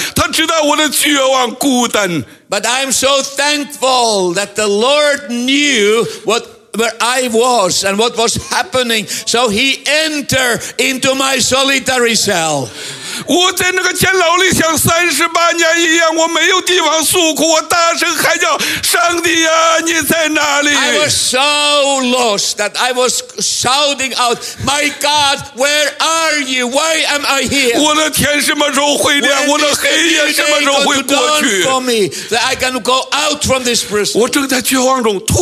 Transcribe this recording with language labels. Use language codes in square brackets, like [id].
[zh] 我感谢神，主耶稣来了，他认识他的羊，他知道我心中的苦难，他知道我的绝望孤单。 [en] But I'm so thankful that the Lord knew where I was and what was happening, so he entered into my solitary cell. [zh] 我在那个监牢里像38年一样，我没有地方诉苦，我大声喊叫，上帝啊，你在哪里？ [en] I was so lost that I was shouting out, my God, where are you? Why am I here? [zh] 我的天什么时候会亮？我的黑夜什么时候会过去？ [en] For me, that I can go out from this prison.